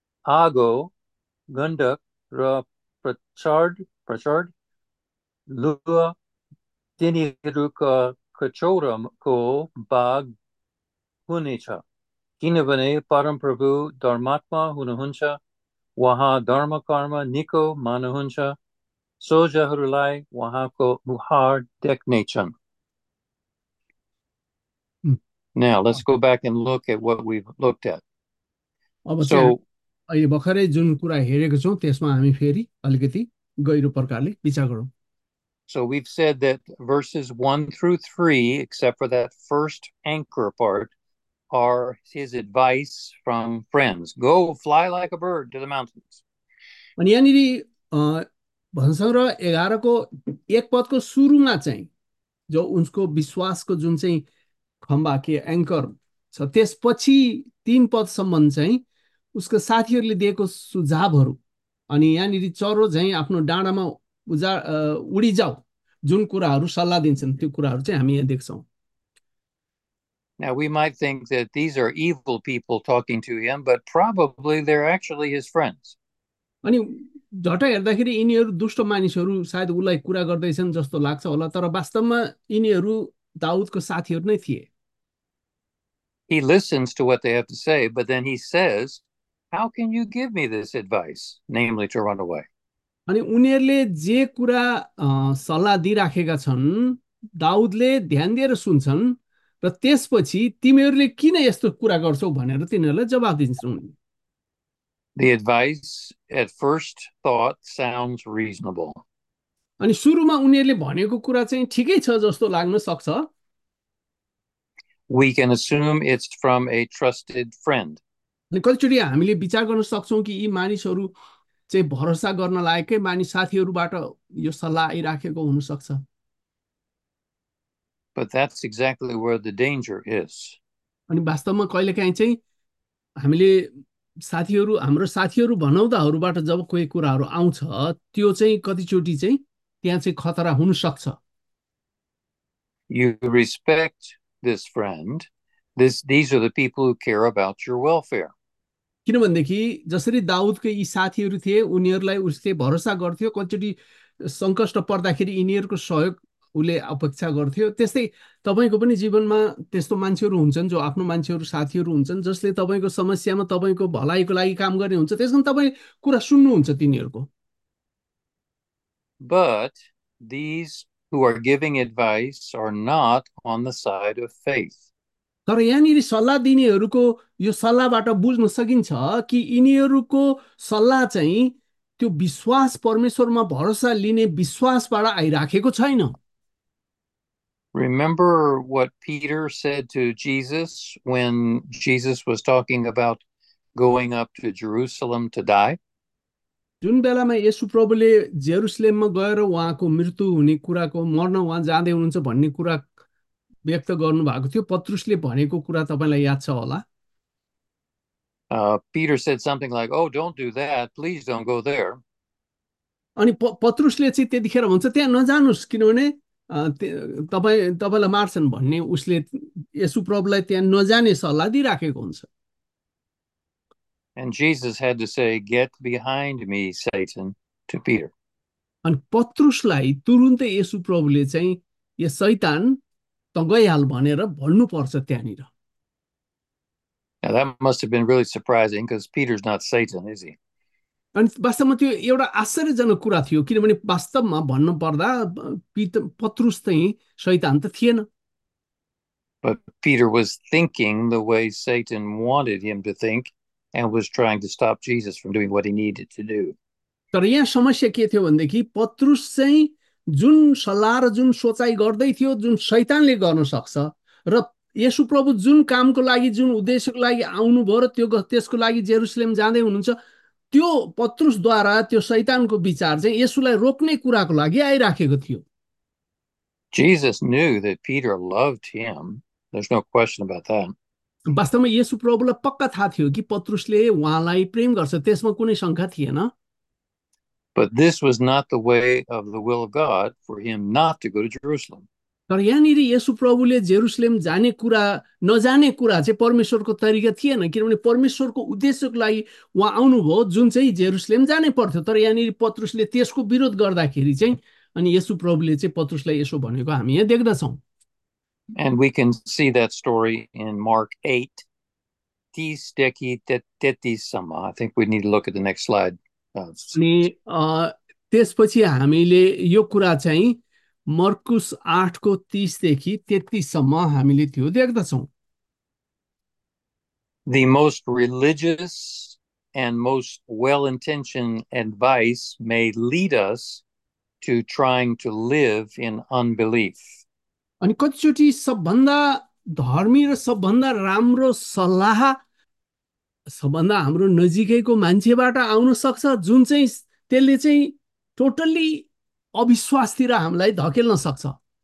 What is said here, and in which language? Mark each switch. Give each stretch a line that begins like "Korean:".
Nepali: आगो गण्डक र प्रचण्ड लुह तिनीहरूको कचौरको बाग हुनेछ, किनभने परमप्रभु धर्मात्मा हुनुहुन्छ, उहाँ धर्म कर्म निको मान्नुहुन्छ, सोझहरूलाई उहाँको मुहार देख्नेछन्।
English: Now let's go back and look at what we've looked at.
Nepali: अब
English: So
Nepali: अहिले भर्खरै जुन कुरा हेरेको छौँ त्यसमा हामी फेरि अलिकति गहिरो प्रकारले विचार गरौँ।
English: So we've said that verses 1 through 3, except for that first anchor part, are his advice from friends. Go fly like a bird to the mountains.
Nepali: अनि यहाँनिर भजनसङ्ग्रह 11 को एक पदको सुरुमा चाहिँ जो उसको विश्वासको जुन चाहिँ खम्बा के एङ्कर छ, त्यसपछि 3 पदसम्म चाहिँ उसको साथीहरूले दिएको सुझावहरू, अनि यहाँनिर चरो झैँ आफ्नो डाँडामा उडी जाऊ जुन कुराहरू सल्लाह दिन्छन् त्यो कुराहरू चाहिँ हामी यहाँ देख्छौँ।
English: Now we might think that these are evil people talking to him, but probably they're actually his friends.
Nepali: अनि झट्ट हेर्दाखेरि यिनीहरू दुष्ट मानिसहरू सायद उसलाई कुरा गर्दैछन् जस्तो लाग्छ होला, तर वास्तवमा यिनीहरू दाउदको साथीहरू नै थिए।
English: He listens to what they have to say, but then he says, "How can you give me this advice, namely to run away?"
Nepali: अनि उनीहरूले जे कुरा सल्लाह दिइराखेका छन् दाउदले ध्यान दिएर सुन्छन्, र त्यसपछि तिमीहरूले किन यस्तो कुरा गर्छौ भनेर तिनीहरूलाई जवाब दिन्छन्।
English: The advice at first thought sounds reasonable.
Nepali: अनि सुरुमा उनीहरूले भनेको कुरा चाहिँ ठिकै छ जस्तो लाग्न सक्छ।
English: We can assume it's from a trusted friend.
Nepali: अनि कतिचोटि हामीले विचार गर्न सक्छौँ कि यी मानिसहरू चाहिँ भरोसा गर्न लायकै मानिस साथीहरूबाट यो सल्लाह आइराखेको हुनसक्छ।
English: But that's exactly where the danger is.
Nepali: अनि वास्तवमा कहिलेकाहीँ चाहिँ हामीले साथीहरू हाम्रो साथीहरू भनौँदाहरूबाट जब कोही कुराहरू आउँछ त्यो चाहिँ कतिचोटि चाहिँ त्यहाँ चाहिँ खतरा हुन सक्छ।
English: You respect this friend. These are the people who care about your welfare.
Nepali: किनभनेदेखि जसरी दाउदको यी साथीहरू थिए उनीहरूलाई उसले भरोसा गर्थ्यो, कतिचोटि सङ्कष्ट पर्दाखेरि यिनीहरूको सहयोग उसले अपेक्षा गर्थ्यो, त्यस्तै तपाईँको पनि जीवनमा त्यस्तो मान्छेहरू हुन्छन् जो आफ्नो मान्छेहरू साथीहरू हुन्छन् जसले तपाईँको समस्यामा तपाईँको भलाइको लागि काम गर्ने हुन्छ, त्यस कारण तपाईँ कुरा सुन्नुहुन्छ तिनीहरूको।
English: But these who are giving advice are not on the side of faith.
Nepali: तर यहाँनिर सल्लाह दिनेहरूको यो सल्लाहबाट बुझ्न सकिन्छ कि यिनीहरूको सल्लाह चाहिँ त्यो विश्वास परमेश्वरमा भरोसा लिने विश्वासबाट आइराखेको छैन।
English: Remember what Peter said to Jesus when Jesus was talking about going up to Jerusalem to die?
Nepali: जुन बेलामा येशु प्रभुले जेरुसलेममा गएर उहाँको मृत्यु हुने कुराको मर्न उहाँ जाँदै हुनुहुन्छ भन्ने कुरा व्यक्त गर्नुभएको थियो पत्रुसले भनेको कुरा तपाईँलाई याद छ होला।
English: Peter said something like, "Oh, don't do that. Please don't go there."
Nepali: अनि पत्रुसले चाहिँ त्यतिखेर भन्छ त्यहाँ नजानुस् किनभने तपाईँलाई मार्छन् भन्ने उसले येशु प्रभुलाई त्यहाँ नजाने सल्लाह दिइराखेको हुन्छ।
English: And Jesus had to say, "Get behind me, Satan," to Peter.
Nepali: अनि पत्रुसलाई तुरुन्तै येशु प्रभुले चाहिँ यो शैतान त गइहाल भनेर भन्नुपर्छ त्यहाँनिर।
English: Now that must have been really surprising because Peter's not Satan, is he?
Nepali: अनि वास्तवमा त्यो एउटा आश्चर्यजनक कुरा थियो किनभने वास्तवमा भन्नु पर्दा पत्रुस चाहिँ शैतान त थिएन।
English: But Peter was thinking the way Satan wanted him to think. And was trying to stop Jesus from doing what he needed to do.
Nepali: तर यहाँ समस्या के थियो भनेदेखि पत्रुस चाहिँ जुन सल्लाह र जुन सोचाइ गर्दै थियो जुन शैतानले गर्न सक्छ र येशु प्रभु जुन कामको लागि जुन उद्देश्यको लागि आउनुभयो र त्यो त्यसको लागि जेरुसलेम जाँदै हुनुहुन्छ त्यो पत्रुसद्वारा त्यो शैतानको विचार चाहिँ येशुलाई रोक्ने कुराको लागि आइराखेको थियो।
English: Jesus knew that Peter loved him. There's no question about that.
Nepali: वास्तवमा येशु प्रभुलाई पक्का थाहा थियो कि पत्रुसले उहाँलाई प्रेम गर्छ त्यसमा कुनै शङ्का थिएन।
English: But this was not the way of the will of God for him not to go to Jerusalem.
Nepali: तर यहाँनिर येशु प्रभुले जेरुसलेम जाने कुरा नजाने कुरा चाहिँ परमेश्वरको तरिका थिएन किनभने परमेश्वरको उद्देश्यको लागि उहाँ आउनुभयो जुन चाहिँ जेरुसलेम जानै पर्थ्यो। तर यहाँनिर पत्रुसले त्यसको विरोध गर्दाखेरि चाहिँ अनि येशु प्रभुले चाहिँ पत्रुसलाई यसो भनेको हामी यहाँ देख्दछौँ।
English: And we can see that story in Mark 8, 30 33-sama. I think we need to look at the next slide.
Nepali: अनि त्यसपछि हामीले यो कुरा चाहिँ मर्कुस 8:30-33 हामीले त्यो देख्दछौँ।
English: The most religious and most well-intentioned advice may lead us to trying to live in unbelief.
Nepali: अनि कतिचोटि सबभन्दा धर्मी र सबभन्दा राम्रो सल्लाह सबभन्दा हाम्रो नजिकैको मान्छेबाट आउन सक्छ जुन चाहिँ त्यसले चाहिँ टोटल्ली अविश्वासतिर हामीलाई धकेल्न सक्छ।